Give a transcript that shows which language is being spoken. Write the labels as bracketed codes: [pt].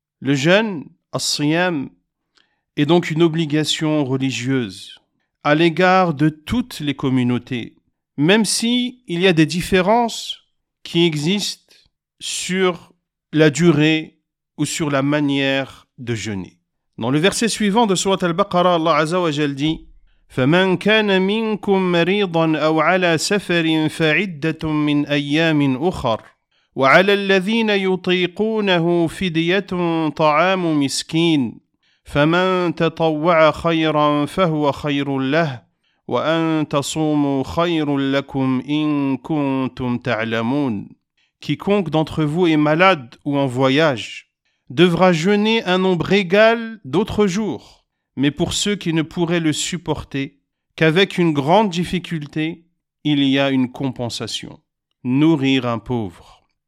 [fr] Le jeûne, as-siyam, est donc une obligation religieuse à l'égard de toutes les communautés, même si il y a des différences qui existent sur la durée ou sur la manière de jeûner. Dans le verset suivant de sourate Al-Baqarah, Allah Azza wa Jal dit: [ar] فَمَنْ كَانَ مِنْكُمْ مَرِيضًا أَوْ عَلَى سَفَرٍ فَعِدَّةٌ مِنْ أَيَّامٍ أُخَرَ وَعَلَى الَّذِينَ يُطِيقُونَهُ فِدْيَةٌ طَعَامُ مِسْكِينٍ فَمَنْ تَطَوَّعَ خَيْرًا فَهُوَ خَيْرٌ لَهُ وَأَنْ تَصُومُوا خَيْرٌ لَكُمْ إِنْ كُنْتُمْ تَعْلَمُونَ. [fr] Quiconque d'entre vous est malade ou en voyage devra jeûner un nombre égal d'autres jours, mais pour ceux qui ne pourraient le supporter, qu'avec une grande difficulté, il y a une compensation, nourrir un pauvre.